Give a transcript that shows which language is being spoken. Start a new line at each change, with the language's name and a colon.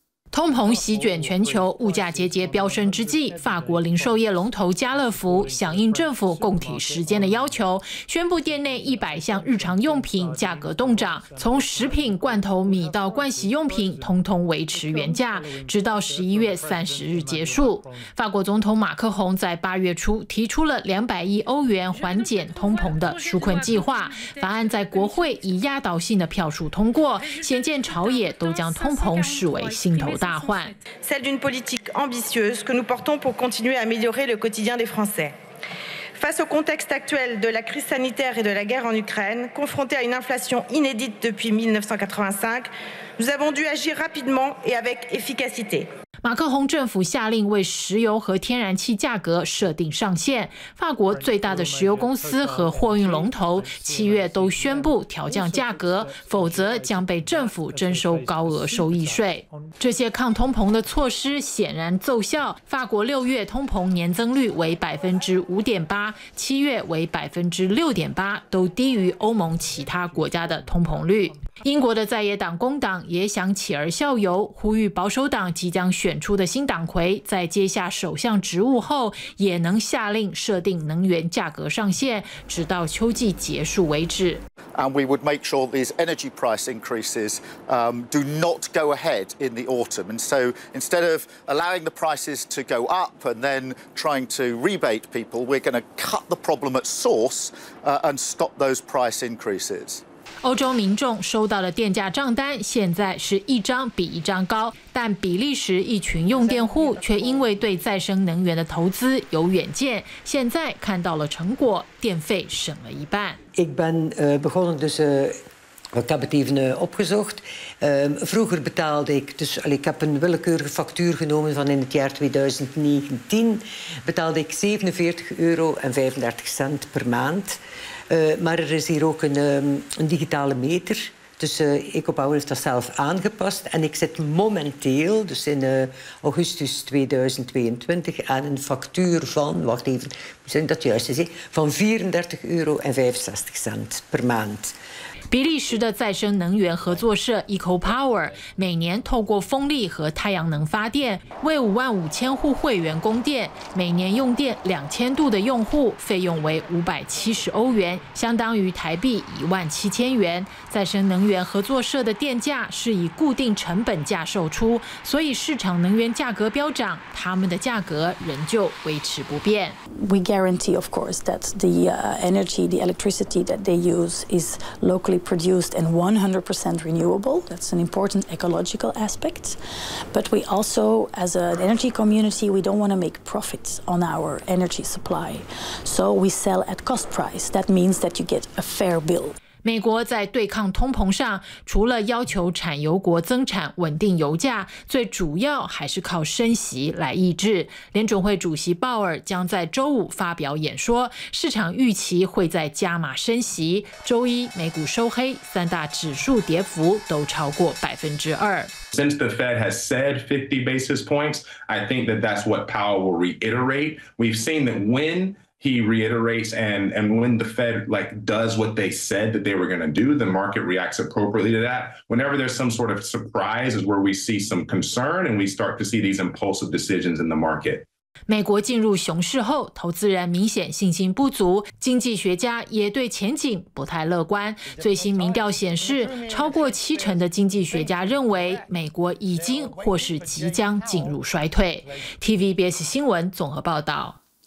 Chinese: 通膨席卷全球，物价节节飙升之际，法国零售业龙头家乐福响应政府供体时间的要求，宣布店内100项日常用品价格冻涨，从食品、罐头、米到盥洗用品，通通维持原价，直到11月30日结束。法国总统马克宏在8月初提出了200亿欧元缓解通膨的纾困计划，法案在国会以压倒性的票数通过，显见朝野都将通膨视为心头。
French: Celle d'une politique ambitieuse que nous portons pour continuer à améliorer le quotidien des Français. Face au contexte actuel de la crise sanitaire et de la guerre en Ukraine, confrontés à une inflation inédite depuis 1985, nous avons dû agir rapidement et avec efficacité.
Chinese: 马克宏政府下令为石油和天然气价格设定上限，法国最大的石油公司和货运龙头七月都宣布调降价格，否则将被政府征收高额收益税。这些抗通膨的措施显然奏效，法国六月通膨年增率为5.8%，七月为6.8%，都低于欧盟其他国家的通膨率。英国的在野党工党也想起而效尤，呼吁保守党即将选出的新党魁在接下首相职务后，也能下令设定能源价格上限，直到秋季结束为止。
English: And we would make sure these energy price increases do not go ahead in the autumn. And so instead of allowing the prices to go up and then trying to rebate people, we're going to cut the problem at source and stop those price increases.
Chinese: 欧洲民众收到的电价账单现在是一张比一张高，但比利时一群用电户却因为对再生能源的投资有远见，现在看到了成果，电费省了一半。
Dutch: Ik ben begonnen dus wat dat betreft opgezocht. Vroeger betaalde ik dus, ik heb een willekeurige factuur genomen van in het jaar 2019, betaalde ik €47.35 per maand. Maar er is hier ook een digitale meter. Dus EcoPower heeft dat zelf aangepast. En ik zit momenteel, dus in augustus 2022, aan een factuur van, wacht even, moet ik dat juist zeggen, van €34.65 per maand.
Chinese: 比利时的再生能源合作社 EcoPower 每年透过风力和太阳能发电为55000户会员供电，每年用电2000度的用户费用为570欧元，相当于台币17000元。再生能源合作社的电价是以固定成本价售出，所以市场能源价格飙涨，他们的价格仍旧维持不变。
English: We guarantee, of course, that the energy, the electricity that they use is local. Produced and 100% renewable. That's an important ecological aspect. But we also, as an energy community, we don't want to make profits on our energy supply. So we sell at cost price. That means that you get a fair bill.
Chinese: 美国在对抗通膨上，除了要求产油国增产稳定油价，最主要还是靠升息来抑制。联准会主席鲍尔将在周五发表演说，市场预期会再加码升息。周一美股收黑，三大指数跌幅都超过2%。
English: Since the Fed has said 50 basis points, I think that that's what Powell will reiterate. We've seen that whenHe reiterates, and when the Fed like does what they said that they were going to do, the market reacts appropriately to that. Whenever there's some sort of surprise is where we see some concern and we start to see these impulsive decisions in the market.
Chinese: 美国进入熊市后，投资人明显信心不足，经济学家也对前景不太乐观。最新民调显示，超过七成的经济学家认为美国已经或是即将进入衰退。TVBS 新闻综合报道。